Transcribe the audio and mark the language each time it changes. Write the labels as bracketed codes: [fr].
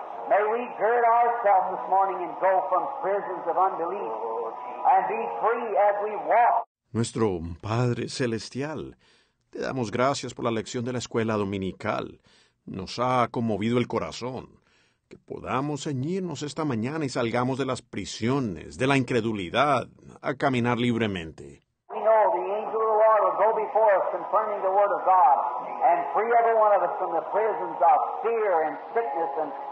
[en] May we gird ourselves this morning and go from prisons of unbelief and be free as we walk. [es] Nuestro Padre Celestial, te damos gracias por la lección de la escuela dominical. Nos ha conmovido el corazón. Que podamos ceñirnos esta mañana y salgamos de las prisiones, de la incredulidad, a caminar libremente. [en] We know the angel of the Lord will go before us confirming the word of God and free every one of us from the prisons of fear and sickness and